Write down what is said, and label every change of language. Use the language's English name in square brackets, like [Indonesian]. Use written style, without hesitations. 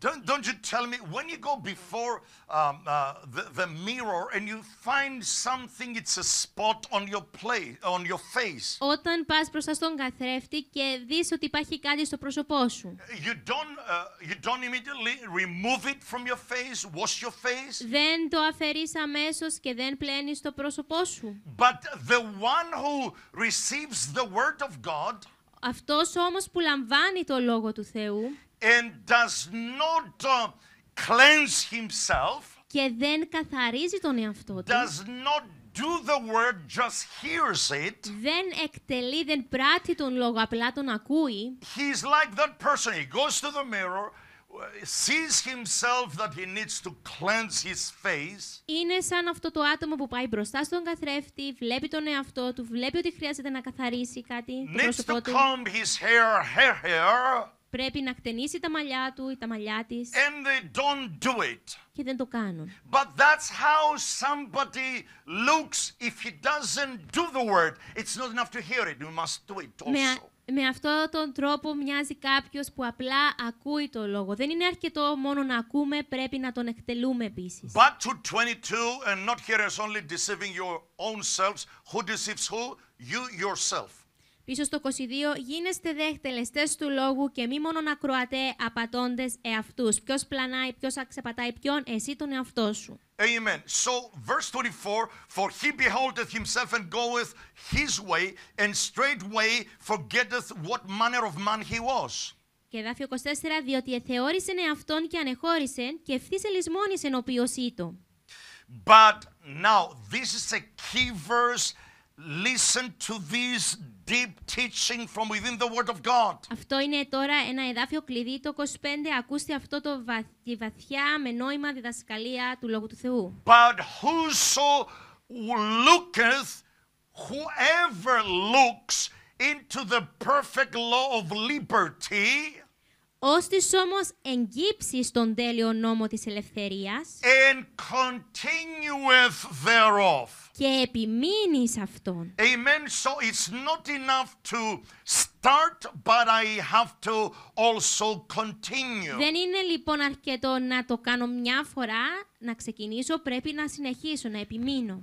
[English] Don't you tell me, when you go before the mirror and you find something, it's a spot on your face. [Greek] Όταν πας μπροστά στον καθρέφτη και δεις ότι υπάρχει κάτι στο πρόσωπό σου. [English] You don't immediately remove it from your face, wash your face. [Greek] Δεν το αφαιρείς αμέσως και δεν πλένεις το πρόσωπό σου. [English] But the one who receives the word of God. [Greek] Αυτός όμως που λαμβάνει το λόγο του Θεού. [English] And does not cleanse himself. [Greek] Και δεν καθαρίζει τον εαυτό του. [English] Does not do the word, just hears it. [Greek] Δεν εκτελεί, δεν πράττει τον λόγο, απλά τον ακούει. [English] He is like that person. He goes to the mirror, sees himself that he needs to cleanse his face. [Greek] Είναι σαν αυτό το άτομο που πάει μπροστά στον καθρέφτη, βλέπει τον εαυτό του, βλέπει ότι χρειάζεται να καθαρίσει κάτι. [English] Needs to comb his hair, her hair. [Greek] Πρέπει να εκτενίσει τα μαλλιά του ή τα μαλλιά της. [English] And they don't do it. [Greek] Και δεν το κάνουν. [English] But that's how somebody looks if he doesn't do the word. It's not enough to hear it. You must do it also. [Greek] Με αυτόν τον τρόπο μοιάζει κάποιος που απλά ακούει το λόγο. Δεν είναι αρκετό μόνο να ακούμε, πρέπει να τον εκτελούμε επίσης. [English] But to 22 and not hearers only deceiving your own selves. Who deceives who? You yourself. [Greek] Πίσω στο 22, γίνεστε δε εκτελεστές του λόγου και μη μόνον ακροατέ απατώντες εαυτούς. Ποιος πλανάει, ποιος αξεπατάει ποιον, εσύ τον εαυτό σου. [English] Amen. So, verse 24, for he beholdeth himself and goeth his way and straightway forgetteth what manner of man he was. [Greek] Και εδάφιο 24, διότι εθεώρησεν εαυτόν και ανεχώρησεν και ευθύς ελισμόνησεν ο ποιος ήτο. [English] But now, this is a key verse. Listen to this deep teaching from within the Word of God. [Greek] Αυτό είναι τώρα ένα εδάφιο κλειδί το 25. Ακούστε αυτό το βαθιά με νόημα διδασκαλία του Λόγου του Θεού. [English] But whoso looketh, whoever looks into the perfect law of liberty, [Greek] ώστις όμως εγκύψεις τον τέλειο νόμο της ελευθερίας, [English] and continueth thereof. [Greek] Και επιμείνεις αυτόν. [English] Amen. So it's not enough to start, but I have to also continue. [Greek] Δεν είναι λοιπόν αρκετό να το κάνω μια φορά, να ξεκινήσω, πρέπει να συνεχίσω, να επιμείνω.